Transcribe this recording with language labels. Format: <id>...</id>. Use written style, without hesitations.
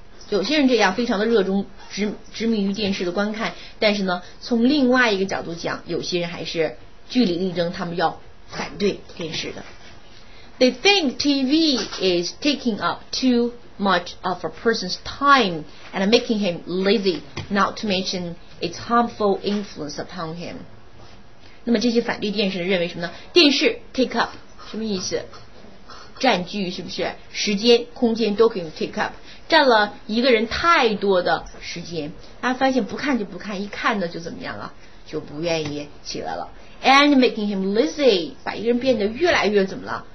<zh>有些人这样非常的热衷执迷于电视的观看，但是呢，从另外一个角度讲，有些人还是据理力争，他们要反对电视的。</zh> <en>They think TV is taking up too much of a person's time and making him lazy, not to mention its harmful influence upon him.</en> <zh>那么这些反对电视的认为什么呢？电视 take up 什么意思？占据是不是？时间、空间都可以 take up， 占了一个人太多的时间。他发现不看就不看，一看呢就怎么样了？就不愿意起来了。</zh> <en>And making him lazy，</en> <zh>把一个人变得越来越怎么了？</zh>